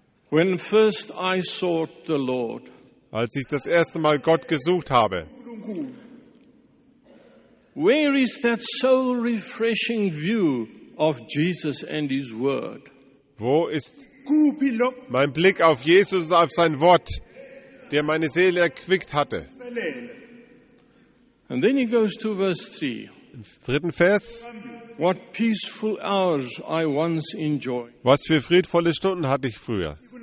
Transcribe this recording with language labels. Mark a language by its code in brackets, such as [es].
[en] When first I sought the Lord, [de] als ich das erste Mal Gott gesucht habe. [en] Where is that soul refreshing view of Jesus and his word? [de] Wo ist mein Blick auf Jesus und auf sein Wort, der meine Seele erquickt hatte? [en] And then he goes to verse 3. [de] Im dritten Vers. [en] What peaceful hours I once enjoyed. [de] Was für friedvolle Stunden hatte ich früher.